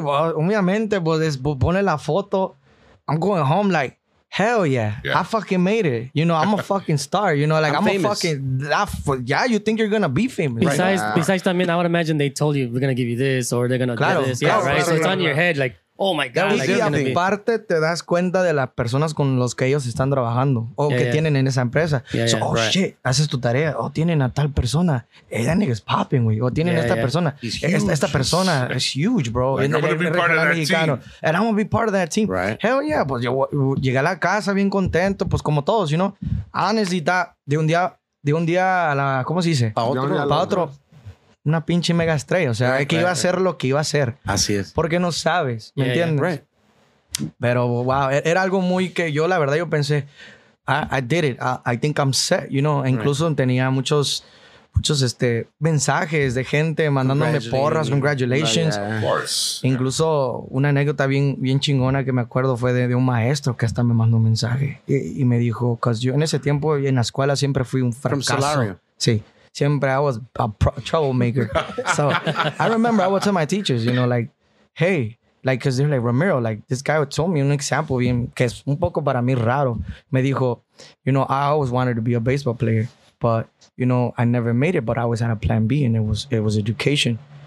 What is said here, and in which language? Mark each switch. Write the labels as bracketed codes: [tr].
[en] well, [es] obviamente, pues, pone la foto. [en] I'm going home like, hell yeah. I fucking made it. You know, I'm a fucking star. You know, like, I'm a fucking, you think you're going to be famous. Besides, I mean, I would imagine they told you, we're going to give you this or they're going to do this. Yeah, right? So it's on your head, like. Oh my God. [es] Y aparte te das cuenta de las personas con los que ellos están trabajando o que tienen en esa empresa. [en] Shit, [es] haces tu tarea. O tienen a tal persona. [en] Hey, that nigga's popping, [es] güey. O tienen esta persona. Esta persona es [en] huge, bro. Like, I'm gonna be part of mexicano. That team. And I'm gonna be part of that team. Right. Hell yeah. [es] Pues yo llegué a la casa bien contento, pues como todos, [en] you know. Honestly, [es] de un día a la, ¿cómo se dice? Para otro. Una pinche mega estrella, o sea, iba a ser lo que iba a ser. Así es. Porque no sabes, ¿me entiendes? [en] Yeah, right. [es] Pero, wow, era algo muy que yo, la verdad, yo pensé, [en] I did it, I think I'm set, you know. [es] Incluso tenía muchos mensajes de gente mandándome porras, congratulations. [en] Of course. [es] Incluso una anécdota bien, bien chingona que me acuerdo fue de un maestro que hasta me mandó un mensaje y me dijo, [en] because [es] yo en ese tiempo en la escuela siempre fui un fracaso. [en] From [es] sí. Siempre [en] I was a troublemaker. So I remember I would tell my teachers, you know, like, hey, like, because they're like, Ramiro, like, this guy told me an example [es] bien, que es un poco para mí raro. Me dijo, [en] you know, I always wanted to be a baseball player, but, you know, I never made it, but I always had a plan B, and it was education.